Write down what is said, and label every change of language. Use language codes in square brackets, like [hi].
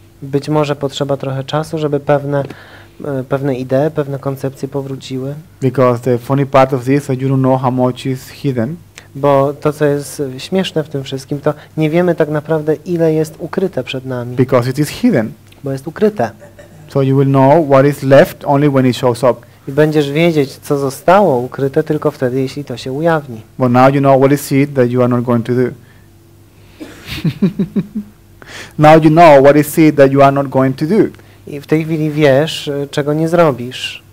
[pl] Być może potrzeba trochę czasu, żeby pewne idee, pewne koncepcje powróciły. [en] Because the funny part of this is that you don't know how much is hidden. [pl] Bo to, co jest śmieszne w tym wszystkim, to nie wiemy tak naprawdę, ile jest ukryte przed nami. [en] Because it is hidden. [pl] Bo jest ukryte. [en] So you will know what is left only when it shows up. [pl] I będziesz wiedzieć, co zostało ukryte tylko wtedy, jeśli to się ujawni. [en] But now you know what is seed that you are not going to do. Now you know what is seed that you are not going to do. [pl] I w tej chwili wiesz, czego nie zrobisz.